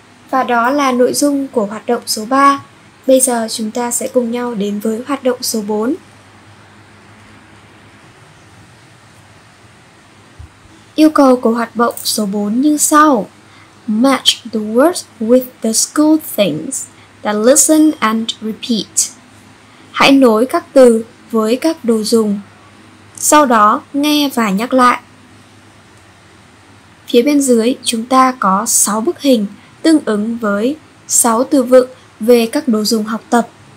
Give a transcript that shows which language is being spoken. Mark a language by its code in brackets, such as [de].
[vi] Và đó là nội dung của hoạt động số 3. Bây giờ chúng ta sẽ cùng nhau đến với hoạt động số 4. Yêu cầu của hoạt động số 4 như sau. [en] Match the words with the school things, then listen and repeat. [vi] Hãy nối các từ với các đồ dùng. Sau đó nghe và nhắc lại. Phía bên dưới chúng ta có 6 bức hình tương ứng với 6 từ vựng về các đồ dùng học tập.